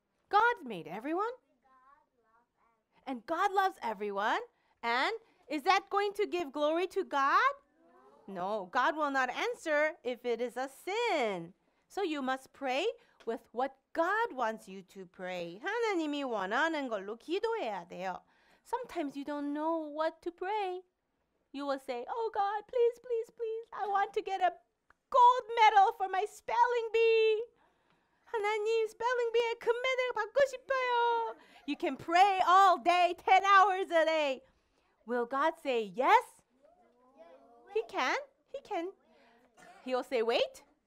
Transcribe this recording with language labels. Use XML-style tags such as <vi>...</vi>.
<en>God made everyone. And God loves everyone. And is that going to give glory to God? No, God will not answer if it is a sin. So you must pray with what God wants you to pray.</en> <ko>하나님이 원하는 걸로 기도해야 돼요.</ko> <en>Sometimes you don't know what to pray. You will say, oh God, please, please, please. I want to get a gold medal for my spelling bee.</en> <ko>하나님, spelling bee에 금메달 받고 싶어요.</ko> <en>You can pray all day, 10 hours a day. Will God say yes? He can. He can. He'll say wait.</en>